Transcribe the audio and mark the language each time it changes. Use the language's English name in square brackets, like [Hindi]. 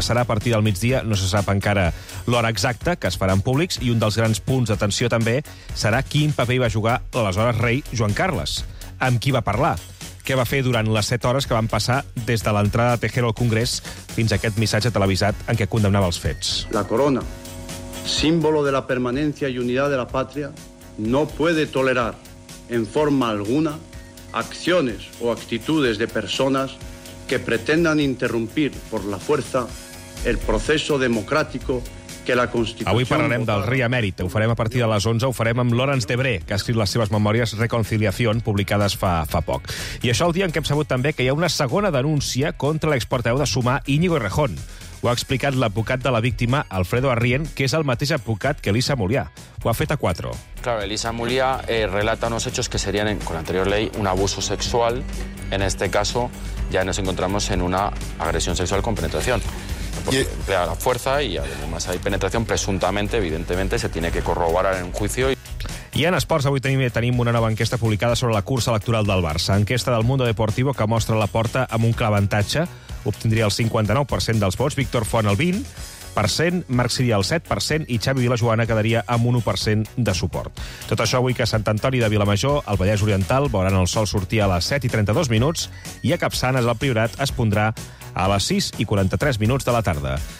[Catalan] Serà a partir del migdia, no se sap encara l'hora exacta, que es faran públics, i un dels grans punts d'atenció també serà quin paper hi va jugar aleshores rei Joan Carles. Amb qui va parlar? Què va fer durant les 7 hores que van passar des de l'entrada de Tejero al Congrés fins a aquest missatge televisat en què condemnava els fets? [Spanish] La corona, símbolo de la permanencia y unidad de la patria, no puede tolerar en forma alguna acciones o actitudes de personas que pretendan interrumpir por la fuerza el proceso democrático que la Constitución... [Catalan] Avui parlarem del rei emèrit. Ho farem a partir de les 11. Ho farem amb Laurence Debré, que ha escrit les seves memòries Reconciliación, publicades fa poc. I això el dia en què hem sabut també que hi ha una segona denúncia contra l'exporteu de Sumar, Íñigo Errejón. Ho ha explicat l'advocat de la víctima, Alfredo Arrién, que és el mateix advocat que Elisa Mulià. Ho ha fet a 4. [Spanish] Claro, Elisa Mulià relata unos hechos que serían, con la anterior ley, un abuso sexual. En este caso, ya nos encontramos en una agresión sexual con penetración. Porque emplea la fuerza y además hay penetración, presuntamente, evidentemente, se tiene que corroborar en un juicio. [Catalan] I en esports avui tenim una nova enquesta publicada sobre la cursa electoral del Barça. Enquesta del Mundo Deportivo que mostra la porta amb un clar avantatge. Obtindria el 59% dels vots, Víctor Font el 20%, Marc Siria el 7% i Xavi Vilajoana quedaria amb un 1% de suport. Tot això avui que Sant Antoni de Vilamajor, al Vallès Oriental, veuran el sol sortir a les 7:32 i a Capçanes, al Priorat, es pondrà a les 6:43 de la tarda.